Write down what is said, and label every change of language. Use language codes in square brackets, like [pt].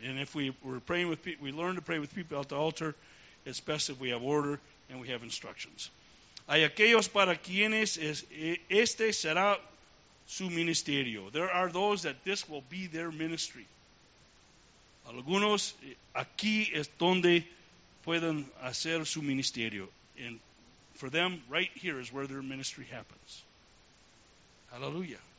[en] And if we're praying with people, we learn to pray with people at the altar, it's best if we have order and we have instructions. [es] Hay aquellos para quienes este será su ministerio. [en] There are those that this will be their ministry. [es] Algunos aquí es donde pueden hacer su ministerio. [en] And for them, right here is where their ministry happens. Aleluya.